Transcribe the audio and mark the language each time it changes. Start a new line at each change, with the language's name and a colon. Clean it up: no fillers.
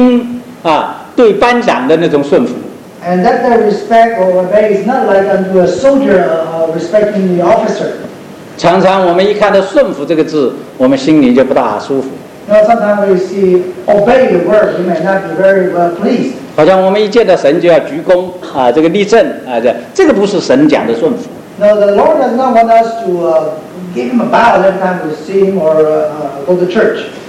Chinese: 那个顺服不是好像兵啊对班长的那种顺服。
English: And that the respect or obey is not like unto a soldier respecting the officer.
Chinese: 常常我们一看到顺服这个字，我们心里就不大舒服。
English: Now sometimes we see obey the word, we may not be very well pleased.
Chinese: 好像我们一见到神就要鞠躬啊，这个立正啊，这个不是神讲的顺服。
English: Now the Lord does not want us to give him a bow every time we see him or go to church.